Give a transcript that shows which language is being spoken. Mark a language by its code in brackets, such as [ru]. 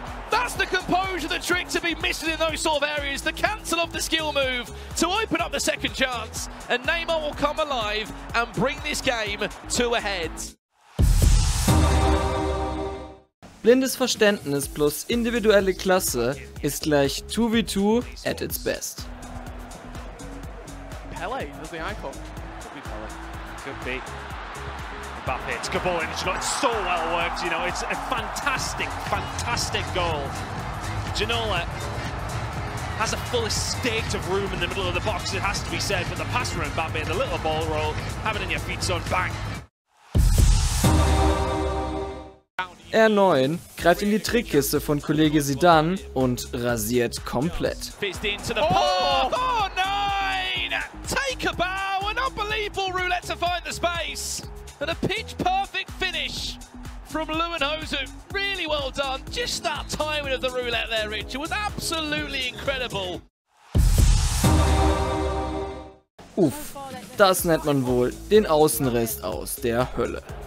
[en] That's the composure that Tricks have been missing in those sort of areas. The cancel of the skill move to open up the second chance. And Neymar will come alive and bring this game to a head. [de] Blindes Verständnis plus individuelle Klasse ist gleich 2v2 [en] at its best. [de] Pele, das ist der Icon. [en] Could be Mbappe. It's Gabor, and it's so well worked. You know, it's a fantastic, fantastic goal. Ginola has a full estate of room in the middle of the box. It has to be said, but the pass from Mbappe, the little ball roll, have it in your feet zone, bang. [de] R9 greift in die Trickkiste von Kollege Zidane und rasiert komplett. [en] Oh! [de] Oh, nein! [en] Take a bow! Unbelievable roulette to find the space and a pitch perfect finish from Lewandowski. Really well done. Just that timing of the roulette there, Richard, was absolutely incredible. [de] Uff, das nennt man wohl den Außenrist aus der Hölle.